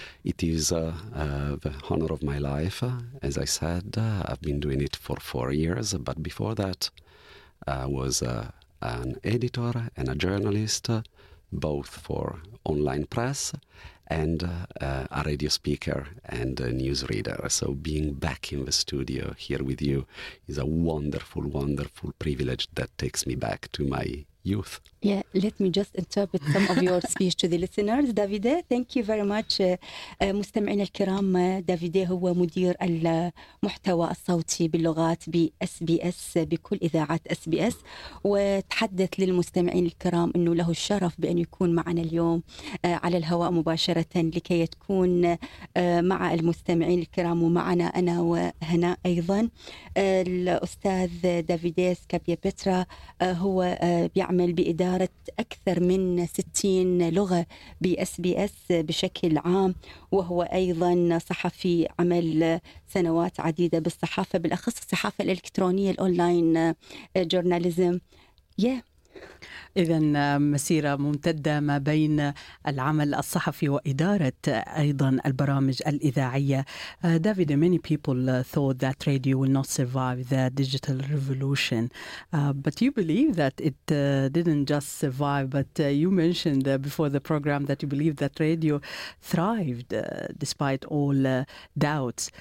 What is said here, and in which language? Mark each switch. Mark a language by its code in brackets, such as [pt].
[en] It is the honor of my life. As I said, I've been doing it for 4 years, but before that, I was an editor and a journalist, both for online press and a radio speaker and a newsreader. So being back in the studio here with you is a wonderful, wonderful privilege that takes me back to my youth. Yeah, let me just interpret some of your speech to the listeners. Davide, thank you very much. [ar] مستمعين الكرام، Davide هو مدير المحتوى الصوتي باللغات بـ SBS، بكل إذاعات SBS، وتحدث للمستمعين الكرام أنه له الشرف بأن يكون معنا اليوم على الهواء مباشرة لكي تكون مع المستمعين الكرام ومعنا أنا وهنا أيضا. الأستاذ Davide سكابيا بيترا هو يعمل بإدارة أكثر من 60 لغة بSBS بشكل عام، وهو أيضا صحفي عمل سنوات عديدة بالصحافة، بالأخص الصحافة الإلكترونية [en] الأونلاين journalism. Yeah. [ar] إذن مسيرة ممتدة ما بين العمل الصحفي وإدارة أيضا البرامج الإذاعية. [en] David, many people thought that radio will not survive the digital revolution, but you believe that it didn't just survive, but you mentioned before the program that you believe that radio thrived despite all doubts.